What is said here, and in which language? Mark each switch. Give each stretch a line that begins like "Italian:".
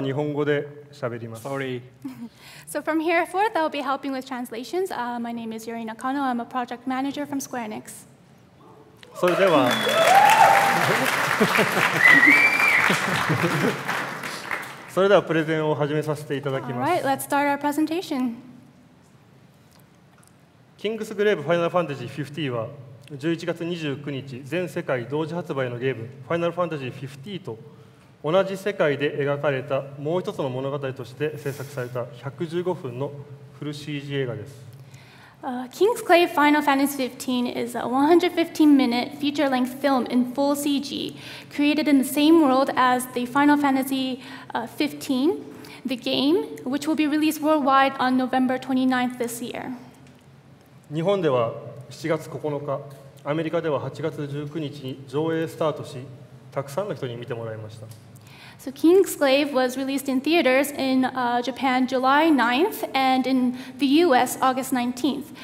English: So from here forth, I'll be helping with translations. My name is Yuri Nakano. I'm a project manager from Square Enix.
Japanese: So では それではプレゼンを始めさせていただきます。
English: All right, let's start our presentation.
Japanese: King's Grave Final Fantasy 15は11月29日全世界同時発売のゲーム Final Fantasy 15と同じ世界で描かれたもう一つの物語として制作された115分のフル CG 映画です。
English: Kingsglaive Final Fantasy 15 is a 115-minute feature-length film in full CG, created in the same world as the Final Fantasy 15, the game, which will be released worldwide on November 29th this year.
Japanese: 日本では7月9日、アメリカでは8月19日に上映スタートし、たくさんの人に見てもらいました。
English: So Kingsglaive was released in theaters in Japan July 9th and in the US August 19th.